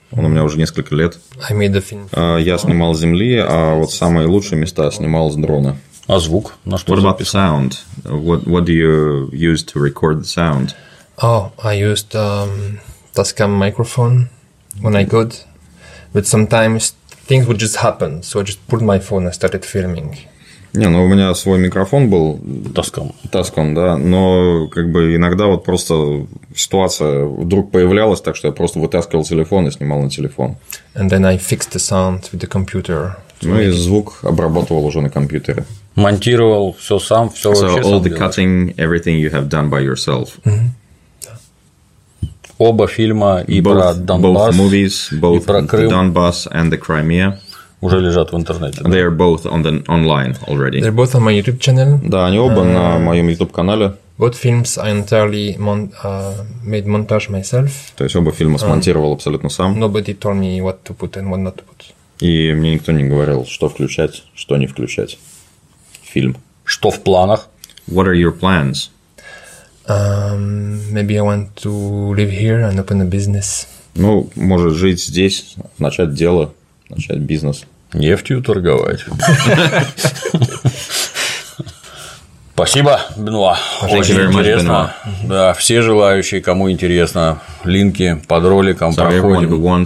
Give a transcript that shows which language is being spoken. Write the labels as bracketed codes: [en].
[ru] Он у меня уже несколько лет. [en] I made the film. [ru] Я снимал с земли, а вот самые лучшие места снимал с дрона. А звук? На что? [en] What about the sound? What do you use to record the sound? Oh, I used Tascam microphone when I got, but sometimes things would just happen, so I just put my phone and started filming. [ru] Не, ну у меня свой микрофон был. [en] Tascam. [ru] Tascam, да. Но как бы иногда вот просто ситуация вдруг появлялась, так что я просто вытаскивал телефон и снимал на телефон. [en] And then I fixed the sound with the computer. [ru] Ну и звук обрабатывал уже на компьютере. Монтировал все сам, все вообще сам. [en] So all the cutting, everything you have done by yourself. Mm-hmm. [ru] Оба фильма и про Донбасс. [en] Both movies, both the Donbass and the Crimea. [ru] Уже лежат в интернете. [en] They are both on the online already. They're both on my YouTube channel. [ru] Да, они оба на моем YouTube канале. [en] Both films I entirely made montage myself. [ru] То есть оба фильма смонтировал абсолютно сам. [en] Nobody told me what to put and what not to put. [ru] И мне никто не говорил, что включать, что не включать. Фильм. Что в планах? [en] What are your plans? Maybe I want to live here and open a business. [ru] Ну, может жить здесь, начать дело, начать бизнес. Нефтью торговать. Спасибо, Бенуа. Очень интересно. Да, все желающие, кому интересно, линки под роликом проходим.